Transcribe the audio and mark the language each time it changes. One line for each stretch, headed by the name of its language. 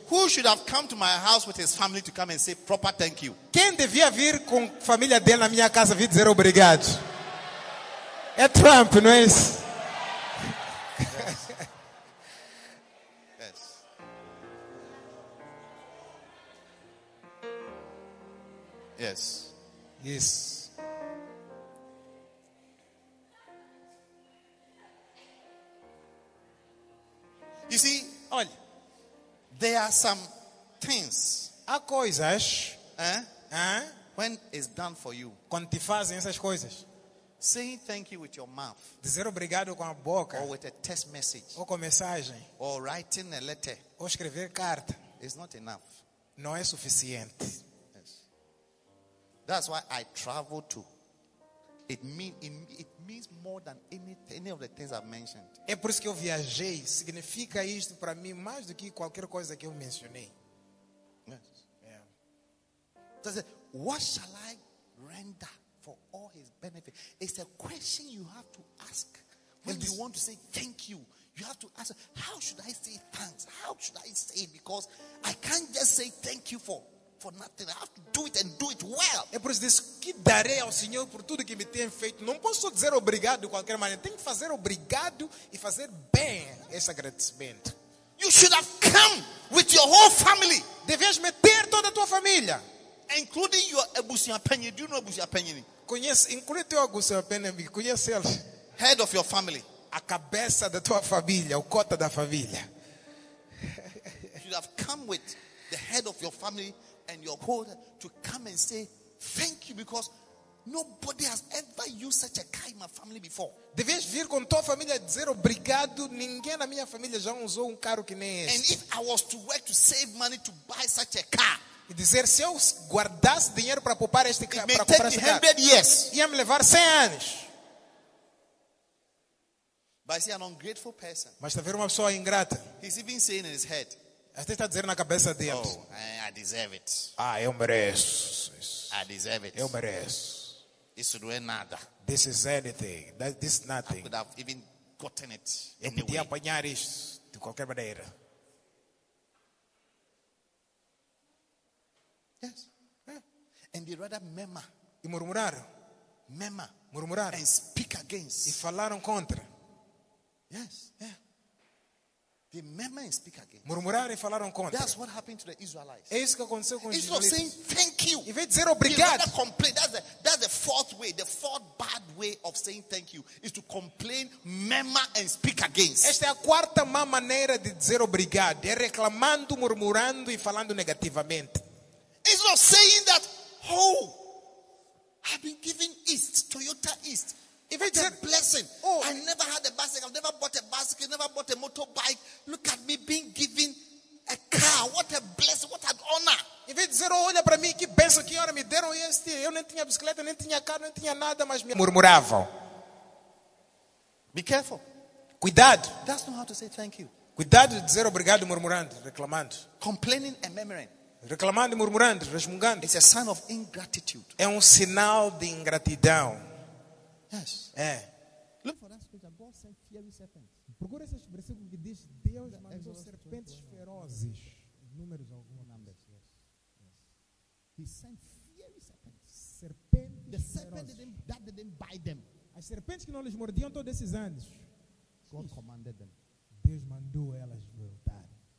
English: who should have come to my house with his family to come and say proper thank you?
Portuguese: Quem devia vir com a família dele na minha casa vir dizer obrigado? É Trump, não é isso?
English: Yes. Yes. You see,
Portuguese: olha,
English: there are some things.
Portuguese: Há coisas,
English: when it's done for you.
Portuguese: Quando te fazem essas coisas.
English: Say thank you with your mouth.
Portuguese: Dizer obrigado com a boca.
English: Or with a text message.
Portuguese: Ou com mensagem.
English: Or writing a letter.
Portuguese: Ou escrever carta.
English: It's not enough.
Portuguese: Não é suficiente.
English: That's why I travel to. It means more than any of the things I've mentioned.
Portuguese: É por isso que eu viajei. Significa isto para mim mais do que qualquer coisa que eu mencionei.
English: Yes. Yeah. So, what shall I render for all his benefit? It's a question you have to ask when you want to say thank you. You have to ask, how should I say thanks? How should I say it? Because I can't just say thank you for nothing. I have to do it and do it well.
Portuguese: É por isso que darei ao Senhor por tudo que me tem feito. Não posso só dizer obrigado de qualquer maneira. Tenho que fazer obrigado e fazer bem esse agradecimento.
English: You should have come with your whole family.
Portuguese: Devias meter toda a tua família.
English: Including your Ebusia Penny. Do you know Ebusia Penny?
Portuguese: Conhece, inclui teu Ebusia Penny. Conhece ele.
English: Head of your family.
Portuguese: A cabeça da tua família. O cota da família.
English: You should have come with the head of your family and your brother to come and say thank you because nobody has ever used such a car in my family before.
Portuguese: Devias vir com tua família dizer obrigado. Ninguém na minha família já usou carro que nem esse.
English: And if I was to work to save money to buy such a car,
Portuguese: e dizer se eu guardasse dinheiro para poupar este carro, para comprar este carro, yes, ia me levar 100 anos.
English: But I see an ungrateful person.
Portuguese: Mas está a ver uma pessoa ingrata.
English: He's even saying in his head.
Portuguese: Até está dizendo na cabeça dele.
English: Oh, I deserve it.
Portuguese: Ah, eu mereço.
English: I deserve it.
Portuguese: Eu mereço. Isso não é nada.
English: This is anything. This is nothing. I could have even gotten it.
Portuguese: Eu podia apanhar isso de qualquer maneira.
English: Yes. And they rather murmur.
Portuguese: E murmuraram.
English: Murmur.
Portuguese: Murmuraram.
English: And speak against.
Portuguese: E falaram contra.
English: Yes. Yeah. They murmur and speak again.
Portuguese: Murmuraram e falaram contra.
English: That's what happened to the Israelites.
Portuguese: É isso que aconteceu com os Israelitas.
English: Instead of saying thank you,
Portuguese: em vez de dizer obrigado,
English: you complain. That's the fourth way. The fourth bad way of saying thank you is to complain, murmur and speak against.
Portuguese: Esta é a quarta má maneira de dizer obrigado, é reclamando, murmurando e falando negativamente.
English: Instead of saying that, oh, I've been given East, Toyota East. If it's a blessing, oh, I never had a bicycle, I've never bought a bicycle, never bought a motorbike. Look at me being given a car. What a blessing, what an honor.
Portuguese: Em vez de dizer, olha para mim, que bênção, que honra me deram este. Eu nem tinha bicicleta, nem tinha carro, nem tinha nada, mas me murmuravam.
English: Be careful.
Portuguese: Cuidado.
English: That's not how to say thank you.
Portuguese: Cuidado de dizer obrigado murmurando, reclamando.
English: Complaining and murmuring.
Portuguese: Reclamando e murmurando, resmungando.
English: It's a sign of ingratitude.
Portuguese: É sinal de ingratidão.
English: Yes.
Portuguese: É.
English: Look for that scripture. God sent fiery serpents.
Portuguese: Procure esse versículo que diz Deus mandou serpentes ferozes. Números alguns.
English: Numbers. Yes. Yes. He sent fiery serpents.
Portuguese: Serpentes.
English: The serpent that didn't bite them.
Portuguese: As serpentes que não lhes mordiam todos esses anos.
English: God commanded them.
Portuguese: Deus mandou elas voltar.